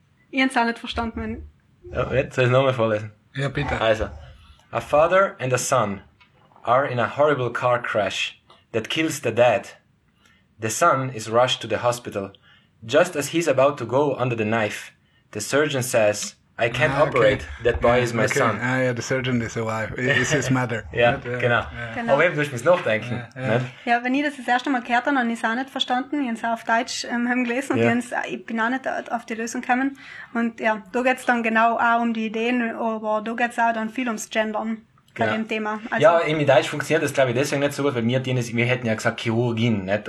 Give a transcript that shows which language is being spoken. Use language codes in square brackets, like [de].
[de] Ich hab's auch nicht verstanden. Mein... Oh, jetzt soll ich es nochmal vorlesen? Ja, bitte. [en] Also, a father and a son are in a horrible car crash that kills the dad. The son is rushed to the hospital. Just as he's about to go under the knife, the surgeon says, I can't operate. Okay. That boy is my son. [de] Ah, ja, [en] the surgeon is alive. It's his mother. [de] Ja, genau. Aber eben, du musst noch denken. Ja, wenn ich das erste Mal gehört habe, dann habe ich es auch nicht verstanden. Ich habe es auch auf Deutsch gelesen und ich bin auch nicht auf die Lösung gekommen. Und ja, da geht es dann genau auch um die Ideen, aber da geht es auch dann viel ums Gendern. Genau. Bei dem Thema. Also, ja, im Deutsch funktioniert das, glaube ich, deswegen nicht so gut, weil wir hätten ja gesagt Chirurgin, nicht?